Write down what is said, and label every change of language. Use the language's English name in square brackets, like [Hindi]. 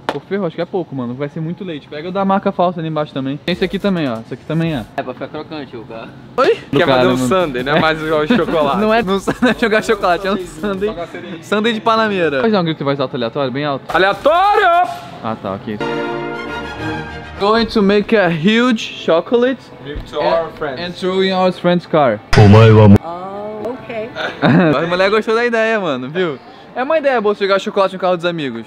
[Portuguese] Pô, ferrou, acho que é pouco, mano. Vai ser muito leite. Pega o da marca falsa ali embaixo também. Tem esse aqui também, ó. Esse aqui também é. É, pra ficar crocante o carro. Oi? Quer fazer um sundae, né? Mais igual o chocolate. Não é jogar chocolate, é um sundae. Sundae de panameira. Faz um grito mais alto aleatório, bem alto. Aleatório? Ah, tá, ok. [English] Going to make a huge chocolate. Give to our friends. And throw in our friend's car. Oh, my God. Okay. [Portuguese] A mulher gostou da ideia, mano, viu? É uma ideia boa você jogar chocolate no carro dos amigos.